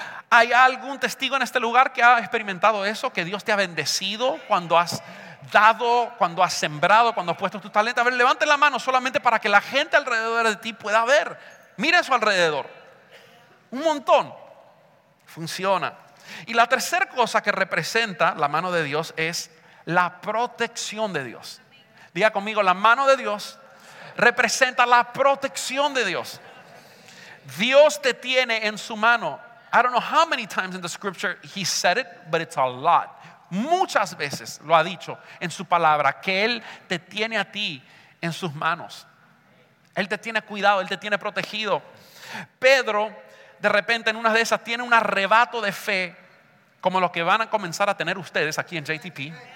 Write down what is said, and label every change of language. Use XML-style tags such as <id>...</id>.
<es>¿Hay algún testigo en este lugar que ha experimentado eso? Que Dios te ha bendecido cuando has dado, cuando has sembrado, cuando has puesto tu talento. A ver, levante la mano solamente para que la gente alrededor de ti pueda ver. Mira a su alrededor. Un montón. Funciona. Y la tercera cosa que representa la mano de Dios es la protección de Dios. Diga conmigo: la mano de Dios representa la protección de Dios. Dios te tiene en su mano.</es> <en>I don't know how many times in the scripture he said it, but it's a lot.</en> <es>Muchas veces lo ha dicho en su palabra, que Él te tiene a ti en sus manos. Él te tiene cuidado, Él te tiene protegido. Pedro, de repente, en una de esas, tiene un arrebato de fe como los que van a comenzar a tener ustedes aquí en JTP.</es>